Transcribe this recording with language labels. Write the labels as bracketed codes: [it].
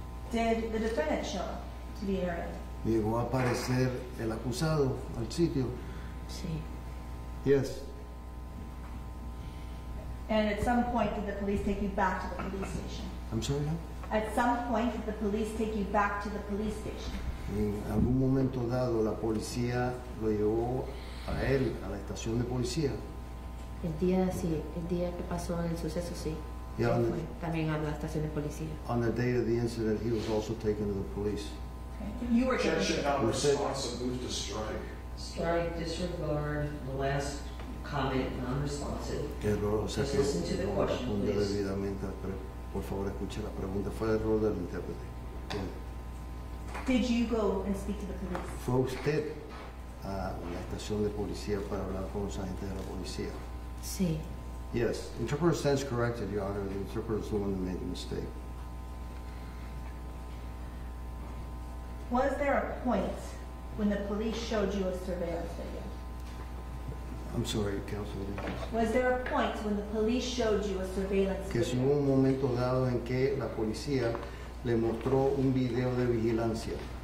[en] did the defendant show up to the area? [es] ¿Llegó a aparecer el acusado al sitio? Sí. [en] Yes. And at some point, did the police take you back to the police station? I'm sorry, huh? At some point, did the police take you back to the police station? [es] En algún momento dado, la policía lo llevó a él, a la estación de policía. El día, sí, el día que pasó el suceso, sí. [en] Yeah, [es] fue también a la estación de policía. [en] On the day of the incident, he was also taken to the police. Okay. You were taken. Objection, I'm responsive. Move to strike. Strike, disregard the last comment, non-responsive. [es] Error, o sea, [en] just listen to the question, please. [es] Debidamente, por favor, escuche la pregunta. Fue error del intérprete. [en] Did you go and speak to the police? [es] Fue usted a la estación de policía para hablar con los agentes de la policía. Sí. [en] Yes. Interpreter stands corrected, Your Honor. The interpreter is the one who made the mistake. Was there a point when the police showed you a surveillance video? I'm sorry, counsel. Was there a point when the police showed you a surveillance video? [es] Que hubo un momento dado en que la policía le mostró un video de vigilancia.